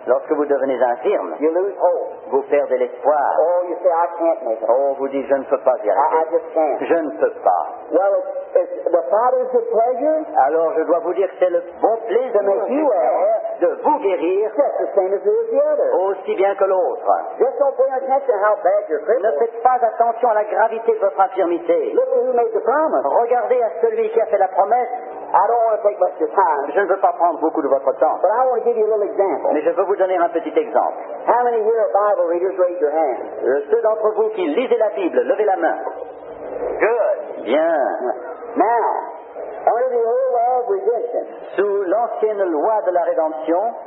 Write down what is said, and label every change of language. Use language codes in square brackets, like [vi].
[fr] lorsque vous devenez infirme, [en] you lose hope. [fr] Vous perdez l'espoir. [en] Oh, you say, I can't make it. [fr] Oh, vous dites, je ne peux pas y arriver. [en] I just can't. [fr] Je ne peux pas. [en] Well, it's the Father's good pleasure. [fr] Alors, je dois vous dire que c'est le bon plaisir [en] to make you well, [fr] de vous guérir, [en] just the same as it is the other. [fr] Aussi bien que l'autre. [en] Just don't pay attention how bad you're crippled. [fr] Ne faites pas attention à la gravité de votre infirmité. [en] Look at who made the promise. [fr] Regardez à celui qui a fait la promesse. [en] I don't want to take much of your time. [fr] Je ne veux pas prendre beaucoup de votre temps. [en] But I want to give you a little example. [fr] Mais je veux vous donner un petit exemple. [en] How many here are Bible readers? Raise your hand. [fr] Ceux d'entre vous qui lisez la Bible, levez la main. [en] Good. [fr] Bien. [en] Now, under the old law of redemption. [fr] Sous l'ancienne loi de la rédemption.